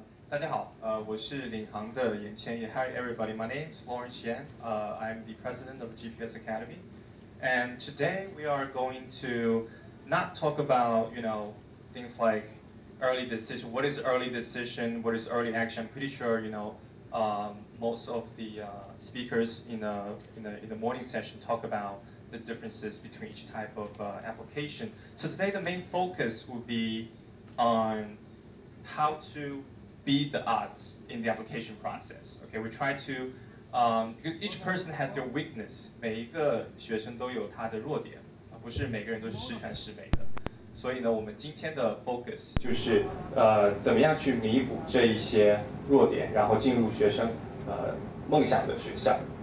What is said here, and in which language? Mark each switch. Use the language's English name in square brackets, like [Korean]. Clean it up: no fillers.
[Chinese] 大家好，我是领航的严千叶。 [English] Hi everybody, my name is Lawrence Yan. I'm the president of GPS Academy. And today we are going to not talk about, things like early decision. What is early decision? What is early action? I'm pretty sure, most of the speakers in the morning session talk about the differences between each type of application. So today the main focus will be on how to beat the odds in the application process. Okay, we try to, because each person has their weakness. [Chinese] 每一个学生都有他的弱点，不是每个人都是十全十美的。所以呢，我们今天的 focus 就是，怎么样去弥补这一些弱点，然后进入学生，梦想的学校。